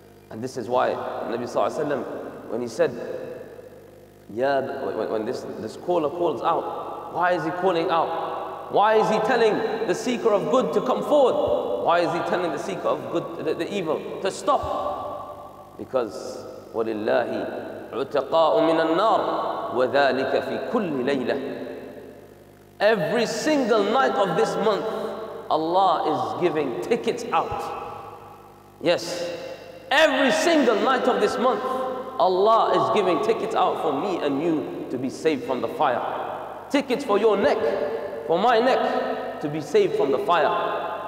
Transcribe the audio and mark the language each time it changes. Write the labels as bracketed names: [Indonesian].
[English] And this is why Nabi Sallallahu Alaihi Wasallam, when he said, when this caller calls out, why is he calling out? Why is he telling the seeker of good to come forward? Why is he telling the seeker of good, the evil, to stop? Because [Arabic] وَلِلَّهِ عُتَقَاءُ مِنَ النَّارِ وَذَٰلِكَ فِي كُلِّ لَيْلَةِ. [English] Every single night of this month, Allah is giving tickets out. Yes, every single night of this month, Allah is giving tickets out for me and you to be saved from the fire. Tickets for your neck, for my neck, to be saved from the fire.